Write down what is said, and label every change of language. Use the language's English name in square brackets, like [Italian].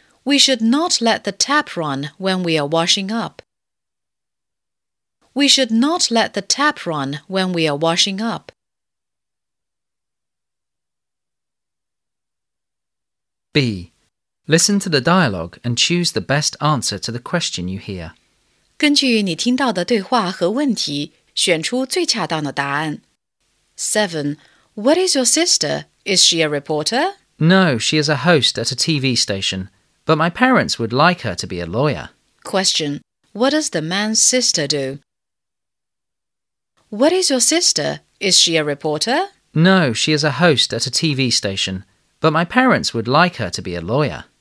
[English] We should not let the tap run when we are washing up. We should not let the tap run when we are washing up. 7. Listen to the dialogue and choose the best answer to the question you hear. [Chinese] 根据你听到的对话和问题，选出最恰当的答案。 [English] 7. What is your sister? Is she a reporter? No, she is a host at a TV station, but my parents would like her to be a lawyer. Question. What does the man's sister do? What is your sister? Is she a reporter? No, she is a host at a TV station, but my parents would like her to be a lawyer.